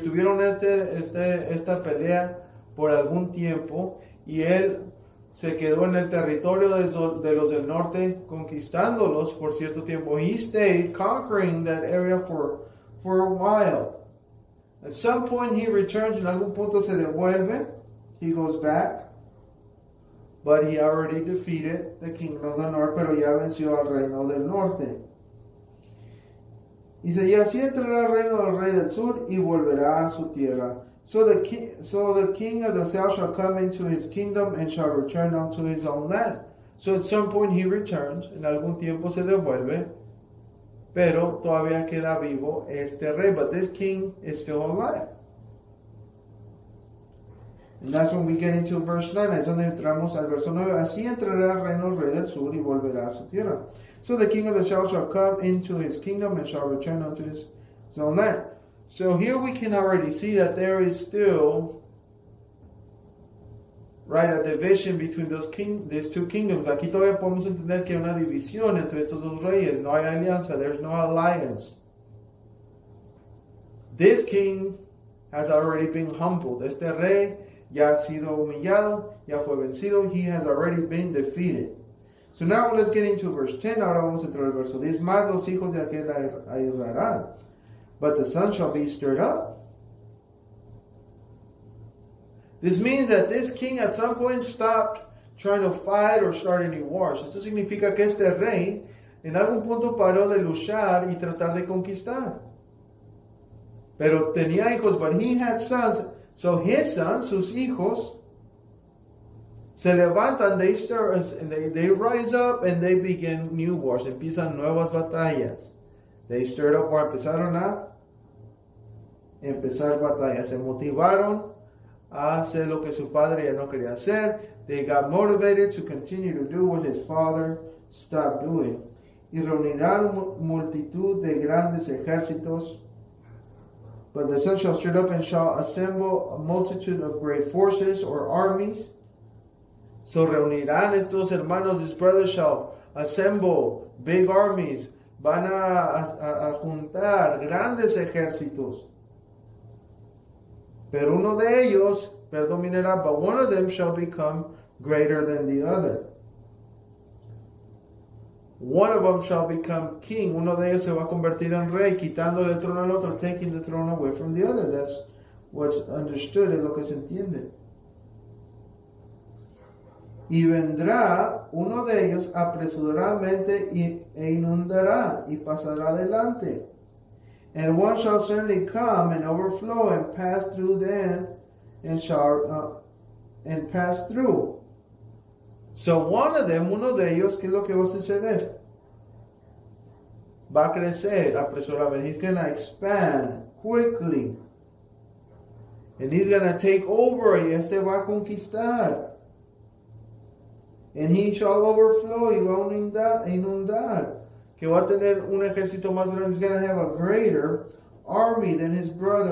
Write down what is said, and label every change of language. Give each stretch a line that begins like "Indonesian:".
Spanish: Tuvieron esta pelea por algún tiempo, y él se quedó en el territorio de los del norte, conquistándolos por cierto tiempo.
English: He stayed conquering that area for a while. At some point he returns,
Spanish: en algún punto se devuelve.
English: He goes back, but he already defeated the kingdom of the north,
Spanish: pero ya venció al reino del norte. Y dice, y así entrará al reino del rey del sur y volverá a su tierra.
English: So the king of the south shall come into his kingdom and shall return unto his own land. So at some point he returns,
Spanish: en algún tiempo se devuelve, pero todavía queda vivo este rey,
English: but this king is still alive. And that's when we get into verse 9.
Spanish: Es donde entramos al verso 9. Así entrará el reino del rey del sur y volverá a su tierra.
English: So the king of the south shall come into his kingdom and shall return unto his own land. So here we can already see that there is still, right, a division between these two kingdoms.
Spanish: Aquí todavía podemos entender que hay una división entre estos dos reyes. No hay alianza.
English: There's no alliance. This king has already been humbled.
Spanish: Este rey ya ha sido humillado, ya fue vencido,
English: he has already been defeated. So now let's get into verse 10,
Spanish: ahora vamos a entrar al verso 10. Más los hijos de aquel ayudarán,
English: but the son shall be stirred up. This means that this king at some point stopped trying to fight or start any wars.
Spanish: Esto significa que este rey en algún punto paró de luchar y tratar de conquistar. Pero tenía hijos,
English: but he had sons. So his sons,
Spanish: sus hijos, Se levantan,
English: they start, they rise up and they begin new wars.
Spanish: Empiezan nuevas batallas.
English: They stirred up or
Spanish: empezaron a empezar batallas. Se motivaron a hacer lo que su padre ya no quería hacer.
English: They got motivated to continue to do what his father stopped doing.
Spanish: Y reunirán multitud de grandes ejércitos.
English: But the son shall stand up and shall assemble a multitude of great forces or armies. So
Spanish: reunirán estos hermanos,
English: his brothers shall assemble big armies.
Spanish: Van a juntar grandes ejércitos. Pero uno de ellos, perdón, minera,
English: but one of them shall become greater than the other. One of them shall become king.
Spanish: Uno de ellos se va a convertir en rey, quitando el trono al otro,
English: taking the throne away from the other. That's what's understood,
Spanish: es lo que se entiende. Y vendrá uno de ellos apresuradamente e inundará y pasará adelante.
English: And one shall certainly come and overflow and pass through them and shall and pass through. So one of them,
Spanish: uno de ellos, ¿qué es lo que va a suceder? Va a crecer apresuradamente.
English: He's going to expand quickly. And he's going to take over
Spanish: y este va a conquistar.
English: And he shall overflow,
Spanish: y va a inundar. Que va a tener un ejército más grande.
English: He's going to have a greater army than his brother.